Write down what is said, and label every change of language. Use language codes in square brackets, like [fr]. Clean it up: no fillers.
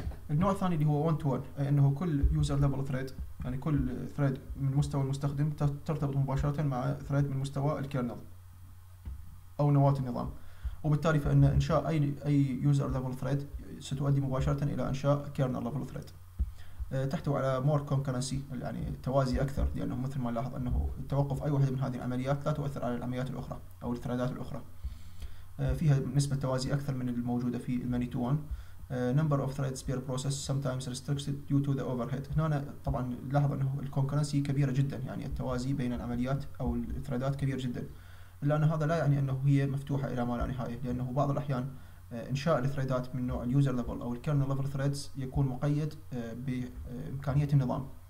[ar] النوع الثاني اللي هو وان تو وان، أي أنه كل يوزر ليفل ثريد، يعني كل ثريد من مستوى المستخدم ترتبط مباشرة مع ثريد من مستوى الكيرنل أو نواة النظام، وبالتالي فإن إنشاء أي يوزر ليفل ثريد ستؤدي مباشرة إلى إنشاء كيرنل ليفل ثريد. تحتوي على مور كونكرنسي، يعني توازي أكثر، لأنه مثل ما لاحظ أنه توقف أي واحدة من هذه العمليات لا تؤثر على العمليات الأخرى أو الثريدات الأخرى. فيها نسبة توازي أكثر من الموجودة في الماني تو وان. [en] Number of threads per process sometimes restricted due to the overhead. [ar] هنا طبعا لاحظ أنه الكونكرنسي كبيرة جدا، يعني التوازي بين العمليات أو الثريدات كبير جدا، إلا أن هذا لا يعني أنه هي مفتوحة إلى ما لا نهاية، لأنه بعض الأحيان إنشاء الثريدات من نوع اليوزر ليفل أو الكيرنل ليفل ثريدز يكون مقيد بإمكانية النظام،